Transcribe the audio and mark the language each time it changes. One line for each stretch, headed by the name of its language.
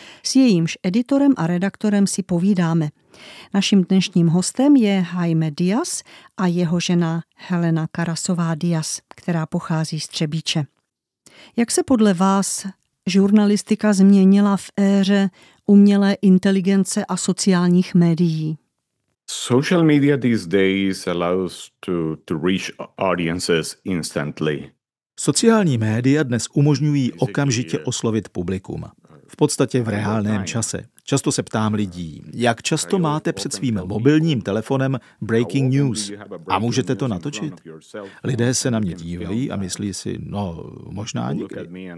Czech: S jejímž editorem a redaktorem si povídáme. Naším dnešním hostem je Jaime Díaz a jeho žena Helena Karasová Díaz, která pochází z Třebíče. Jak se podle vás žurnalistika změnila v éře umělé inteligence a sociálních médií?
English: Social media these days allows to reach audiences instantly.
Czech: Sociální média dnes umožňují okamžitě oslovit publikum. V podstatě v reálném čase. Často se ptám lidí, jak často máte před svým mobilním telefonem breaking news a můžete to natočit? Lidé se na mě dívají a myslí si, no, možná někdy.